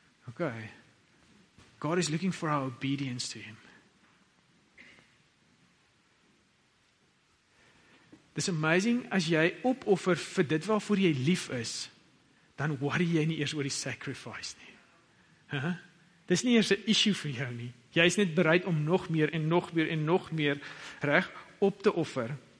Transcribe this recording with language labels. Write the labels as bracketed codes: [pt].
[en] Okay, God is looking for our obedience to him. [af] Dis amazing, as jy opoffer vir dit waarvoor jy lief is, dan worry jy nie eers oor die sacrifice nie. Dis nie eers 'n issue vir jou nie. Jy is net bereid om nog meer en nog meer en nog meer, reg, op te offer.